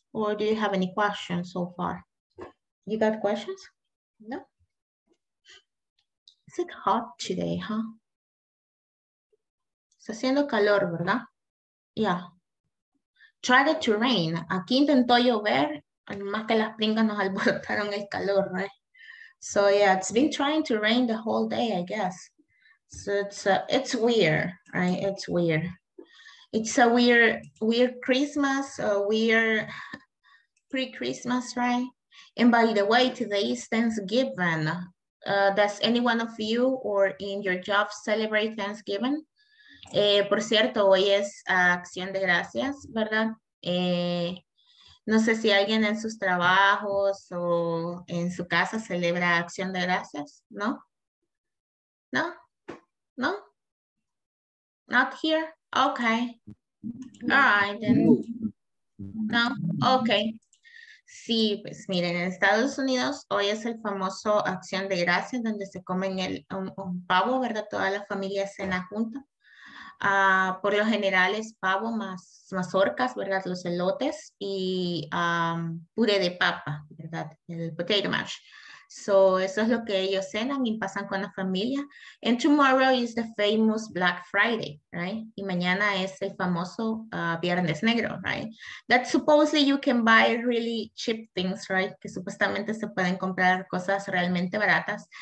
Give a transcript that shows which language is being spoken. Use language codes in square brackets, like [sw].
[en] ¿O do you have any questions so far? You got questions? No. It hot today, huh? [es] Está haciendo calor, ¿verdad? Yeah. [en] Tried to rain. [es] Aquí intentó llover, más que las pringas nos alborotaron el calor, ¿verdad? [en] So yeah, it's been trying to rain the whole day, I guess. So it's weird, right? It's weird. It's a weird Christmas, a weird pre-Christmas, right? And by the way, today is Thanksgiving. Does anyone of you or in your job celebrate Thanksgiving? [es] Por cierto, hoy es Acción de Gracias, ¿verdad? No sé si alguien en sus trabajos o en su casa celebra Acción de Gracias, ¿no? [en] ¿No? ¿No? Not here. Okay. All right, then. No. Okay. [es] Sí, pues miren, en Estados Unidos hoy es el famoso Acción de Gracias donde se comen un pavo, ¿verdad? Toda la familia cena junta. Por lo general es pavo más mazorcas, ¿verdad? Los elotes y puré de papa, ¿verdad? El potato mash. So, eso es lo que ellos cenan y pasan con la familia. [en] And tomorrow is the famous Black Friday, right? [es] Y mañana es el famoso Viernes Negro, right? [en] That supposedly you can buy really cheap things, right? [es] Que supuestamente se pueden comprar cosas realmente baratas.